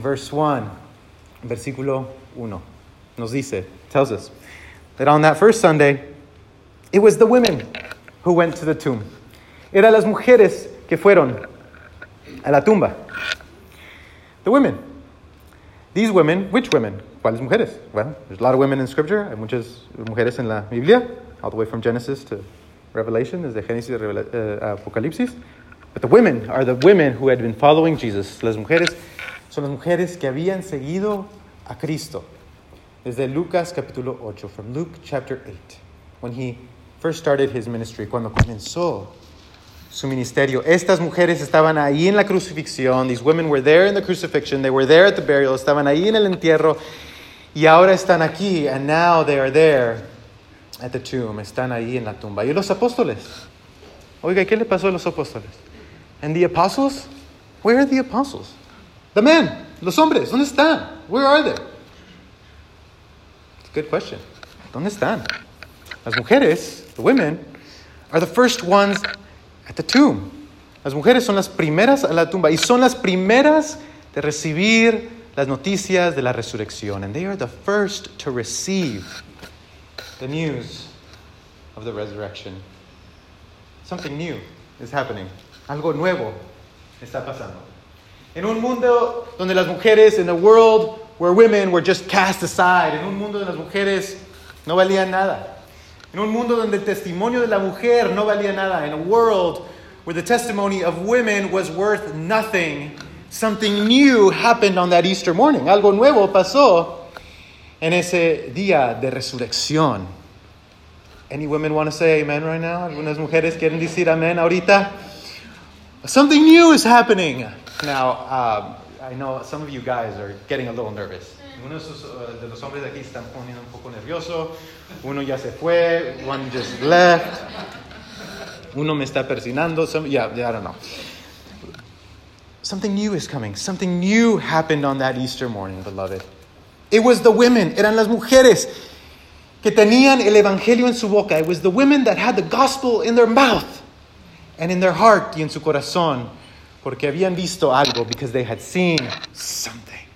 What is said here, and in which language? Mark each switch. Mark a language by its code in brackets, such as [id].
[en] Verse 1, [es] versículo 1, nos dice, [en] tells us, that on that first Sunday, it was the women who went to the tomb. [es] Era las mujeres que fueron a la tumba. [en] The women. These women, which women? [es] ¿Cuáles mujeres? [en] Well, there's a lot of women in Scripture. [es] Hay muchas mujeres en la Biblia, [en] all the way from Genesis to Revelation, [es] desde Génesis a Apocalipsis. [en] But the women are the women who had been following Jesus. [es] Las mujeres son las mujeres que habían seguido a Cristo. Desde Lucas capítulo 8, [en] from Luke chapter 8, when he first started his ministry, [es] cuando comenzó su ministerio. Estas mujeres estaban ahí en la crucifixión. [en] These women were there in the crucifixion. They were there at the burial. [es] Estaban ahí en el entierro. Y ahora están aquí. [en] And now they are there at the tomb. [es] Están ahí en la tumba. ¿Y los apóstoles? Oiga, ¿qué le pasó a los apóstoles? [en] And the apostles? Where are the apostles? The men. [es] Los hombres. ¿Dónde están? [en] Where are they? It's a good question. [es] ¿Dónde están? Las mujeres, [en] the women, are the first ones at the tomb. [es] Las mujeres son las primeras a la tumba y son las primeras de recibir las noticias de la resurrección. [en] And they are the first to receive the news of the resurrection. Something new is happening. [es] Algo nuevo está pasando. En un mundo donde las mujeres, [en] in a world where women were just cast aside, [es] en un mundo donde las mujeres no valían nada. En un mundo donde el testimonio de la mujer no valía nada. [en] In a world where the testimony of women was worth nothing. Something new happened on that Easter morning. [es] Algo nuevo pasó en ese día de resurrección. [en] Any women want to say amen right now? [es] ¿Algunas mujeres quieren decir amén ahorita? [en] Something new is happening. Now, I know some of you guys are getting a little nervous. [es] Uno de los hombres de aquí están poniendo un poco nervioso. Uno ya se fue. [en] One just left. [es] Uno me está persinando. [en] I don't know. Something new is coming. Something new happened on that Easter morning, beloved. It was the women. [es] Eran las mujeres que tenían el evangelio en su boca. [en] It was the women that had the gospel in their mouth and in their heart [es] y en su corazón porque habían visto algo, [en] because they had seen something.